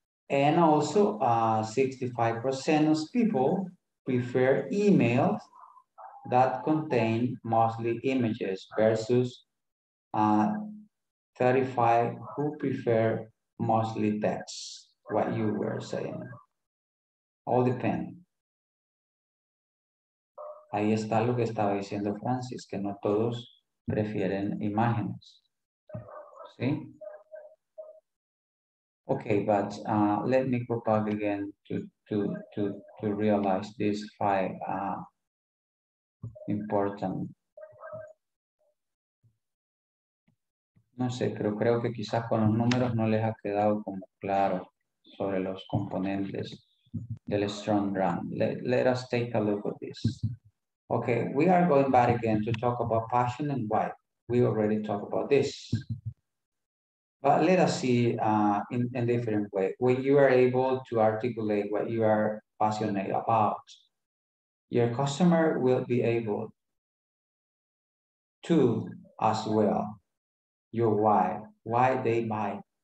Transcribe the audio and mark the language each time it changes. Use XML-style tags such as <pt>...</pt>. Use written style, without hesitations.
<en>And also 65% of people prefer emails that contain mostly images versus 35 who prefer mostly text, what you were saying. All depends.</en> <es>Ahí está lo que estaba diciendo Francis, que no todos prefieren imágenes. ¿Sí?</es> <en>Okay, but let me go back again to realize these five important.</en> <es>No sé, pero creo que quizás con los números no les ha quedado como claro sobre los componentes del</es> <en>strong brand. Let us take a look at this. Okay, we are going back again to talk about passion and why. We already talked about this. But let us see in a different way. When you are able to articulate what you are passionate about, your customer will be able to as well your why they buy.</en>